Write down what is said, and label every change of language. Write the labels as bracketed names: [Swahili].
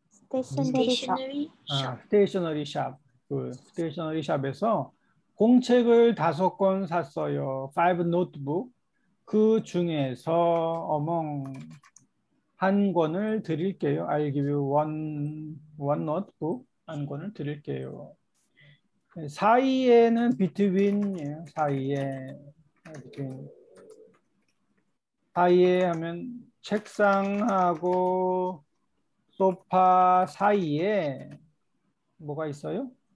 [English] Stationery shop. [Korean] 아, stationery shop. 그 스테이셔너리 샵에서 공책을 5권 샀어요. 5 노트북. 그 중에서 어멍 한 권을 드릴게요. [English] I'll give you one notebook. [Korean] 한 권을 드릴게요. 사이에는 between 사이에 사이에 하면 책상하고 소파 사이에 뭐가 있어요?